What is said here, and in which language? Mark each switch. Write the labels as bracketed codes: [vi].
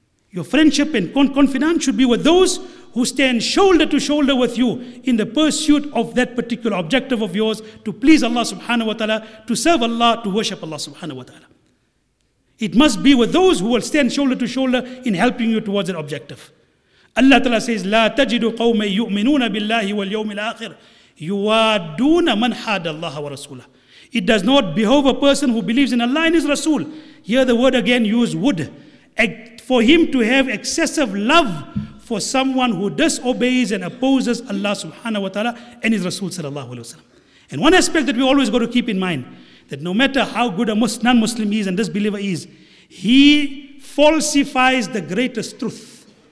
[en] Your friendship and confidant should be with those who stand shoulder to shoulder with you in the pursuit of that particular objective of yours, to please Allah subhanahu wa ta'ala, to serve Allah, to worship Allah subhanahu wa ta'ala. It must be with those who will stand shoulder to shoulder in helping you towards that objective. Allah Ta'ala says, [ar] لا تجد قوم يؤمنون بالله واليوم الآخر يوادون من حاد الله ورسوله. [en] It does not behove a person who believes in Allah and his Rasul. Here the word again used would. For him to have excessive love for someone who disobeys and opposes Allah subhanahu wa ta'ala and his Rasul sallallahu alayhi wa sallam. And one aspect that we always got to keep in mind, that no matter how good a non-Muslim is and disbeliever is, he falsifies the greatest truth.